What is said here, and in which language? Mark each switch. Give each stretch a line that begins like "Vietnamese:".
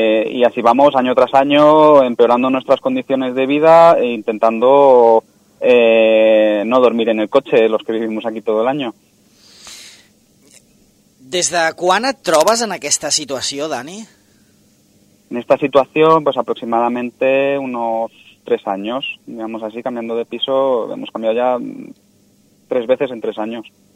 Spanish: Y así vamos año tras año empeorando nuestras condiciones de vida e intentando no dormir en el coche los que vivimos aquí todo el año.
Catalan: Des de quan et trobes en aquesta situació, Dani?
Spanish: En esta situación, pues aproximadamente unos 3 años, digamos así, cambiando de piso, hemos cambiado ya 3 veces en 3 años.